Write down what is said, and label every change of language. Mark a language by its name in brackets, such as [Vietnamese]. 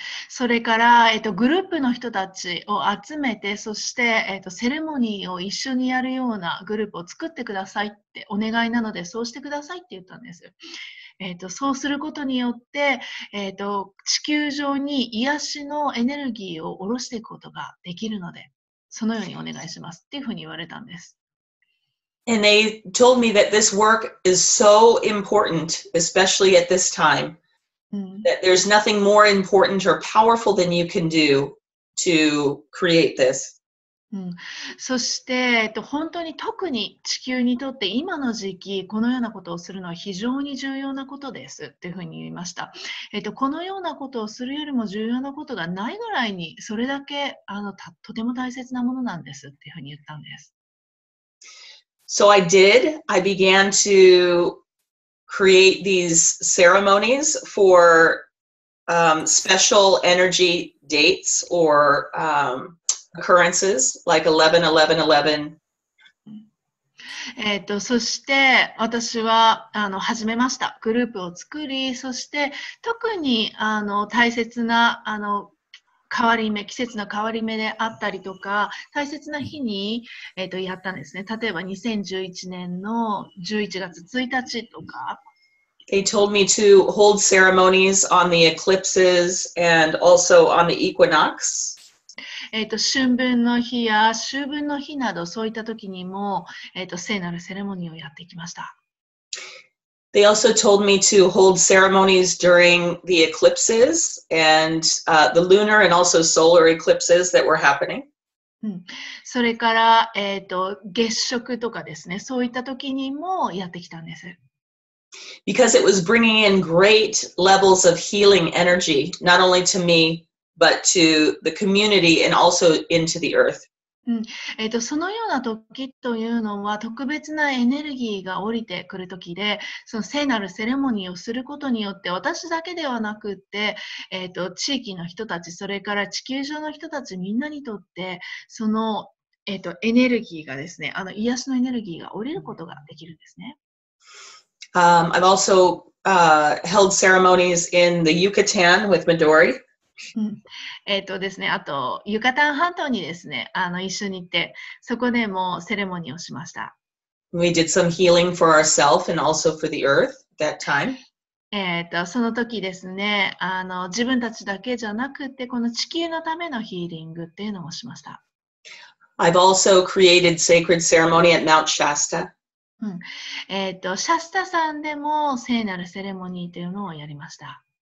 [Japanese] それから、グループの人たちを集めて、そして、セレモニーを一緒にやるようなグループを作ってくださいってお願いなので、そうしてくださいって言ったんです。そうすることによって、地球上に癒しのエネルギーを下ろしていくことができるので、そのようにお願いしますっていうふうに言われたんです。 [English] And they told me that this work is so important, especially at this time, that there's nothing more important or powerful than you can do to create this. [Japanese] そして、本当に特に地球にとって今の時期このようなことをするのは非常に重要なことですというふうに言いました、このようなことをするよりも重要なことがないぐらいにそれだけとても大切なものなんですというふうに言ったんです。 [English] So I did. I began to create these ceremonies for special energy dates or occurrences like 11-11-11. [Japanese] そして私は始めました。グループを作り、そして特に大切な変わり目、季節の変わり目であったりとか、大切な日に、やったんですね。例えば2011年の11月1日とか。 [English] They told me to hold ceremonies on the eclipses and also on the equinox. [Japanese] 春分の日や秋分の日などそういった時にも、聖なるセレモニーをやってきました。 [English] They also told me to hold ceremonies during the eclipses and the lunar and also solar eclipses that were happening. [Japanese] それから、月食とかですね、そういった時にもやってきたんです。 [English] Because it was bringing in great levels of healing energy, not only to me,but to the community and also into the earth. [Japanese] そのような時というのは特別なエネルギーが降りてくる時で、その聖なるセレモニーをすることによって私だけではなくって、地域の人たち、それから地球上の人たちみんなにとってその、エネルギーがですね、癒しのエネルギーが降りることができるんですね。 [English] I've also held ceremonies in the Yucatan with Midori. [Japanese] ですね、あとユカタン半島にですね一緒に行ってそこでもセレモニーをしました。 [English] We did some healing for ourselves and also for the earth that time. [Japanese] その時ですね自分たちだけじゃなくてこの地球のためのヒーリングっていうのもしました。 [English] I've also created sacred ceremony at Mount Shasta. [Japanese] シャスタさんでも聖なるセレモニーというのをやりました。